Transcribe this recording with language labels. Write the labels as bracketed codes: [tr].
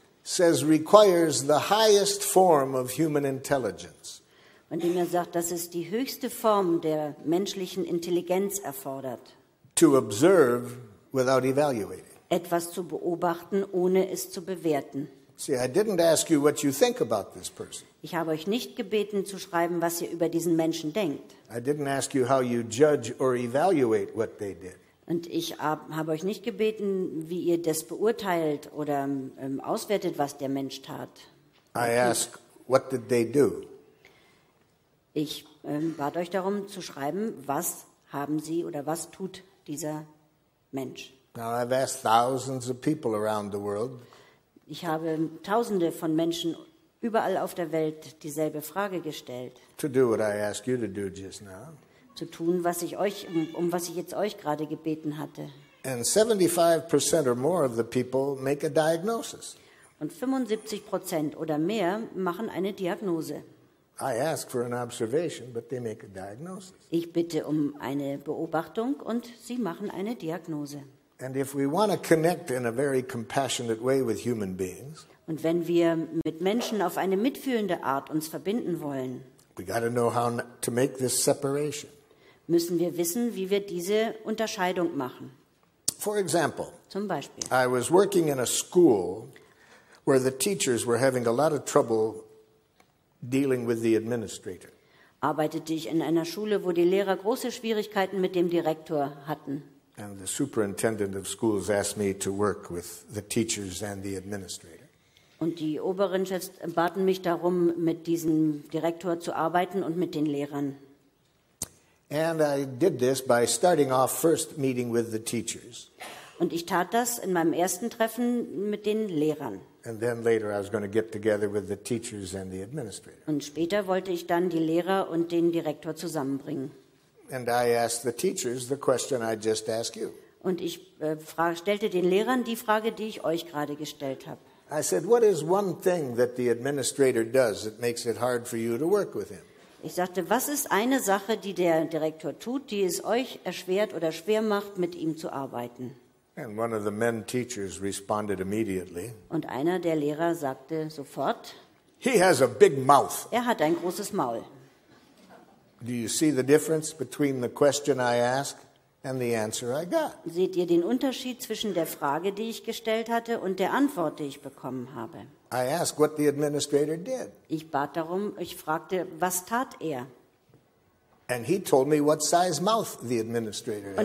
[en] says requires the highest form of human intelligence. [de] Und dem er sagt, dass es die höchste Form der menschlichen Intelligenz erfordert. [en] To observe without evaluating. [de] Etwas zu beobachten, ohne es zu bewerten. [en] See, I didn't ask you what you think about this person. [de] Ich habe euch nicht gebeten zu schreiben, was ihr über diesen Menschen denkt. [en] I didn't ask you how you judge or evaluate what they did. [de] Und ich habe euch nicht gebeten, wie ihr das beurteilt oder auswertet, was der Mensch tat. [en] I ask, what did they do? [de] Ich bat euch darum zu schreiben, was haben sie oder was tut dieser Mensch. [en] Now I've asked thousands of people around the world. [de] Ich habe tausende von Menschen überall auf der Welt dieselbe Frage gestellt. [en] To do what I asked you to do just now. [de] Zu tun, was ich euch was ich jetzt euch gerade gebeten hatte. [en] And 75% or more of the people make a diagnosis. [de] Und 75% oder mehr machen eine Diagnose. [en] I ask for an observation, but they make a diagnosis. [de] Ich bitte um eine Beobachtung und sie machen eine Diagnose. [en] And if we want to connect in a very compassionate way with human beings, [de] und wenn wir mit Menschen auf eine mitfühlende Art uns verbinden wollen, [en] we got to know how to make this separation. [de] Müssen wir wissen, wie wir diese Unterscheidung machen. [en] For example, [de] zum Beispiel, [en] I was working in a school where the teachers were having a lot of trouble dealing with the administrator. [de] Arbeitete ich in einer Schule, wo die Lehrer große Schwierigkeiten mit dem Direktor hatten. [en] And the superintendent of schools asked me to work with the teachers and the administrator. [de] Und die oberen Chefs baten mich darum, mit diesem Direktor zu arbeiten und mit den Lehrern. [en] And I did this by starting off first meeting with the teachers. [de] Und ich tat das in meinem ersten Treffen mit den Lehrern. [en] And then later I was going to get together with the teachers and the administrator. [de] Und später wollte ich dann die Lehrer und den Direktor zusammenbringen. [en] And I asked the teachers the question I just asked you. [de] Und ich stellte den Lehrern die Frage, die ich euch gerade gestellt habe. [en] I said, what is one thing that the administrator does that makes it hard for you to work with him? [de] Ich sagte, was ist eine Sache, die der Direktor tut, die es euch erschwert oder schwer macht, mit ihm zu arbeiten? [en] And one of the men teachers responded immediately. [de] Und einer der Lehrer sagte sofort, [en] he has a big mouth. [de] Er hat ein großes Maul. [en] Do you see the difference between the question I asked and the answer I got? [de] Seht ihr den Unterschied zwischen der Frage, die ich gestellt hatte, und der Antwort, die ich bekommen habe? [en] I asked what the administrator did. [de] Ich bat darum, ich fragte, was tat er? [en] And he told me what size mouth the administrator had.